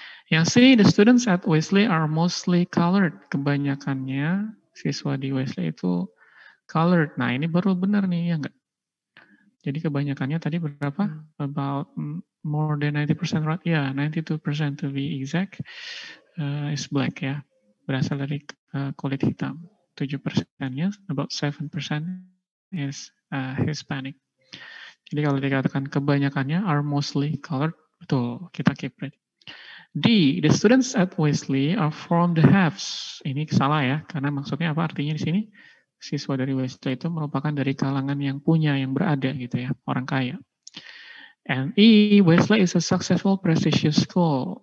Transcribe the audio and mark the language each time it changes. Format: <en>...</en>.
<en>Yang C, the students at Wesley are mostly colored.</en> <id>Kebanyakannya siswa di Wesley itu colored. Nah, ini baru benar nih, ya enggak? Jadi kebanyakannya tadi berapa?</id> <en>About more than 90%, right? Ya, 92% to be exact is black ya.</en> <id>Berasal dari kulit hitam.</id> <en>7%-nya, about 7% is Hispanic.</en> <id>Jadi kalau dikatakan kebanyakannya</id> <en>are mostly colored,</en> <id>betul, kita keep it.</id> <en>D, the students at Wesley are from the halves.</en> <id>Ini salah ya, karena maksudnya apa artinya di sini? Siswa dari Wesley itu merupakan dari kalangan yang punya, yang berada gitu ya, orang kaya.</id> <en>And E, Wesley is a successful prestigious school.</en>